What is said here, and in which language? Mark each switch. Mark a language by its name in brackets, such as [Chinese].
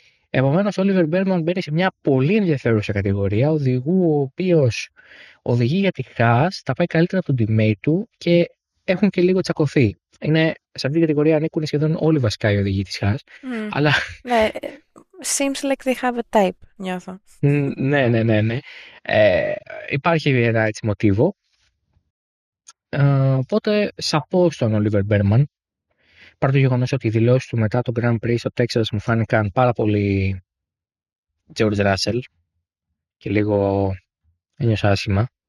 [Greek] Επομένως, ο Όλιβερ Μπέρμαν μπαίνει σε μια πολύ ενδιαφέρουσα κατηγορία οδηγού, ο οποίος οδηγεί για τη Χάς, τα πάει καλύτερα από τον τιμέι του και έχουν και λίγο τσακωθεί. Είναι, σε αυτήν την κατηγορία ανήκουν σχεδόν όλοι βασικά οι οδηγοί της Χάς. Αλλά... [English] Ναι, seems like they have a type, [Greek] νιώθω. Ναι. Υπάρχει ένα έτσι μοτίβο. Οπότε, σαπό στον Όλιβερ Μπέρμαν. Παρά το γεγονός ότι οι δηλώσεις του μετά το Grand Prix στο Τέξας μου φάνηκαν πάρα πολύ George Russell και λίγο ένιωσα άσχημα.